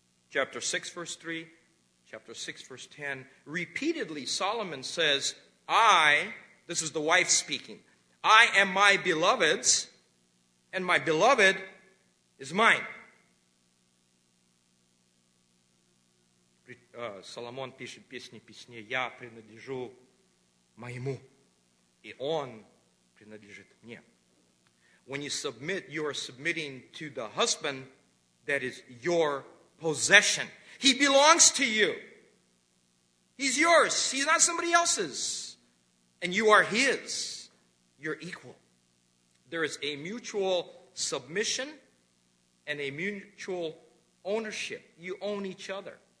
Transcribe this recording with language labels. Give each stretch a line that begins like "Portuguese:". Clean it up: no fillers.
English: Chapter 6, verse 3. Chapter 6, verse 10. Repeatedly, Solomon says, this is the wife speaking, I am my beloved's, and my beloved is mine.
Russian: Соломон пишет песни песне, я принадлежу моему, и он принадлежит мне.
English: When you submit, you are submitting to the husband that is your possession. He belongs to you. He's yours. He's not somebody else's. And you are his. You're equal. There is a mutual submission and a mutual ownership. You own each other.